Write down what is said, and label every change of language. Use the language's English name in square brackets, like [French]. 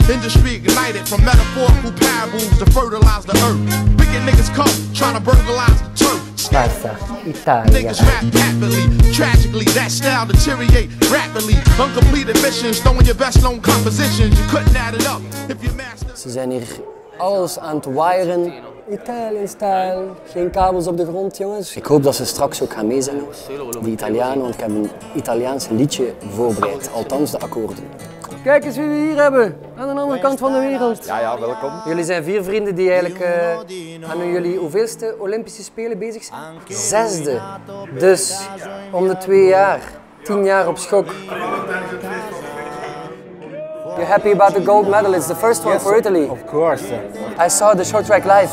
[English] Industry ignited from metaphorical parables to fertilize the earth. Wicked niggas come, trying to burglarize the turf. Casa Italia. Niggas rap happily, tragically, that style deteriorate rapidly. Uncompleted missions, throwing your best known compositions. You couldn't add it up if you master. [Dutch] Ze zijn hier alles aan te wiren. [English] Italian style, [Dutch] geen kabels op de grond, jongens. Ik hoop dat ze straks ook gaan meezingen, die Italianen, want ik heb een Italiaans liedje voorbereid, althans de akkoorden. Kijk eens wie we hier hebben, aan de andere kant van de wereld. Ja, ja, welkom. Jullie zijn vier vrienden die eigenlijk aan jullie hoeveelste Olympische Spelen bezig zijn? Zesde. Dus om de twee jaar, 10 jaar op schok. [English] You're happy about the gold medal, it's the first one, yes, for Italy. Of course. Yes. I saw the short track live.